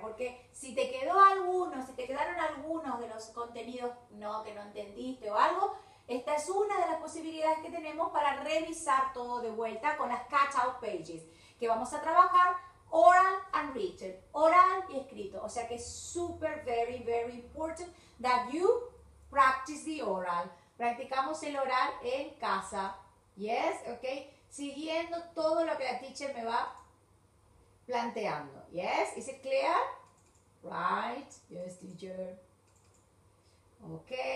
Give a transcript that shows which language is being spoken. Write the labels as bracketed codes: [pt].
[es] Porque si te quedó alguno, si te quedaron algunos de los contenidos que no entendiste o algo, esta es una de las posibilidades que tenemos para revisar todo de vuelta con las cutout pages, que vamos a trabajar [en] oral and written, [es] oral y escrito. O sea que es super, [en] very, very important that you practice the oral. [es] Practicamos el oral en casa. [en] Yes, ok. [es] Siguiendo todo lo que la teacher me va planteando. [en] Yes, is it clear? Right, yes teacher. Ok.